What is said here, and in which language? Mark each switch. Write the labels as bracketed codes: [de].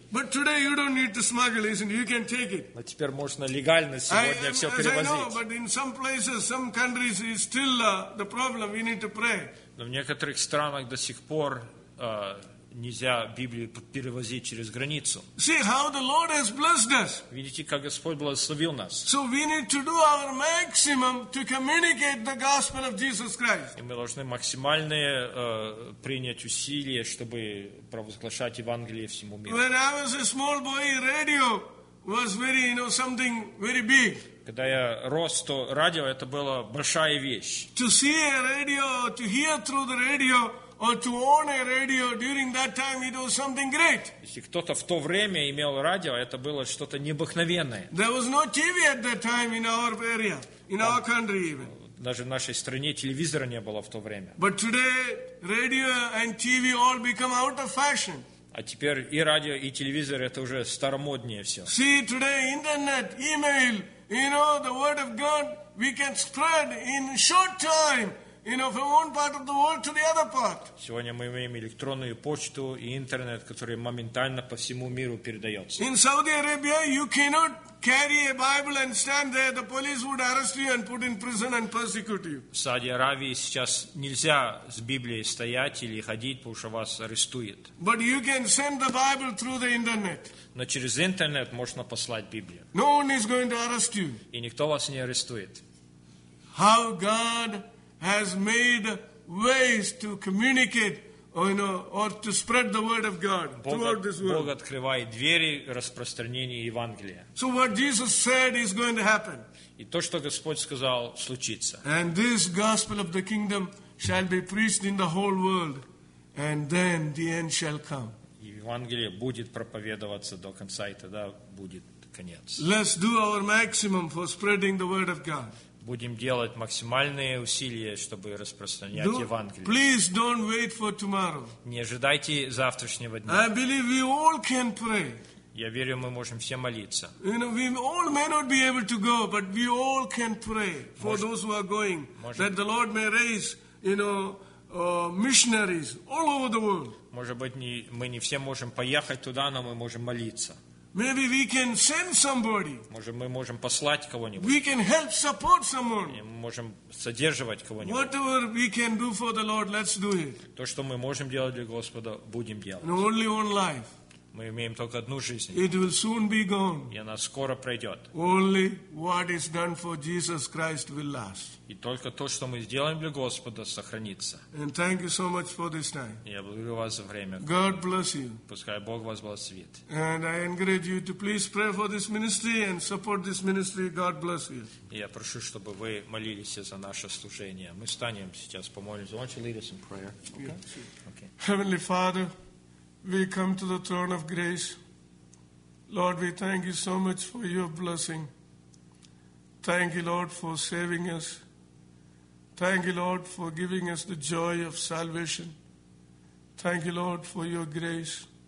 [en] But today you don't need to smuggle, isn't it? You can take it. [ru] Но теперь можно легально сегодня все перевозить. [en] I know, but in some places, some countries is still the problem. We need to pray. [ru] Но в некоторых странах до сих пор нельзя Библию перевозить через границу. [en] See how the Lord has blessed us. [ru] Видите, как Господь благословил нас. [en] So we need to do our maximum to communicate the gospel of Jesus Christ. [ru] И мы должны максимально принять усилия, чтобы провозглашать Евангелие всему миру. [en] When I was a small boy, radio was very, you know, something very big. [ru] Когда я рос, то радио это была большая вещь. [en] To see a radio, to hear through the radio, or to own a radio during that time, it was something great. [ru] Если кто-то в то время имел радио, это было что-то необыкновенное. [en] There was no TV at that time in our area, in our country even. [ru] Даже в нашей стране телевизора не было в то время. [en] But today, radio and TV all become out of fashion. [ru] А теперь и радио, и телевизор это уже старомоднее все. [en] See today, internet, email, you know, the word of God, we can spread in short time. You know, from one part of the world to the other part. [ru] Сегодня мы имеем электронную почту и интернет, который моментально по всему миру передается. [en] In Saudi Arabia, you cannot carry a Bible and stand there. The police would arrest you and put in prison and persecute you. [ru] В Саудовской Аравии сейчас нельзя с Библией стоять или ходить, потому что вас арестуют. [en] But you can send the Bible through the internet. [ru] Но через интернет можно послать Библию. [en] No one is going to arrest you. [ru] И никто вас не арестует. [en] How God has made ways to communicate, or, you know, or to spread the word of God throughout this world. [ru] Бог открывает двери распространения Евангелия. [en] So what Jesus said is going to happen. [ru] И то, что Господь сказал, случится. [en] And this gospel of the kingdom shall be preached in the whole world, and then the end shall come. [ru] Евангелие будет проповедоваться до конца, и тогда будет конец. [en] Let's do our maximum for spreading the word of God. [ru] Будем делать максимальные усилия, чтобы распространять Евангелие. [en] Please don't wait for tomorrow. [ru] Не ожидайте завтрашнего дня. [en] I believe we all can pray. [ru] Я верю, мы можем все молиться. [en] You know, we all may not be able to go, but we all can pray for those who are going, that the Lord may raise, you know, missionaries all over the world. [ru] Может быть, мы не все можем поехать туда, но мы можем молиться. [en] Maybe we can send somebody. [uk] Може, ми можемо послати [ru] кого-нибудь. [en] We can help support someone. [uk] Ми можемо содержувати [ru] кого-нибудь. [en] Whatever we can do for the Lord, let's do it. [uk] То, що ми можемо делать для Господа, будем делать. [en] And only one life. [ru] Ми имеем только одну жизнь. [en] It will soon be gone. [ru] И она скоро пройдет. [en] Only what is done for Jesus Christ will last. [ru] И только то, что мы сделаем для Господа, сохранится. [en] And thank you so much for this time. [ru] Я благодарю вас за время. [en] God bless you. [ru] Пускай Бог вас благословит. [en] And I encourage you to please pray for this ministry and support this ministry. God bless you. [ru] Я прошу, чтобы вы молились за наше служение. Мы станем сейчас помолимся. [en] Why don't you lead us in prayer? Okay. Heavenly Father, we come to the throne of grace. Lord, we thank you so much for your blessing. Thank you, Lord, for saving us. Thank you, Lord, for giving us the joy of salvation. Thank you, Lord, for your grace.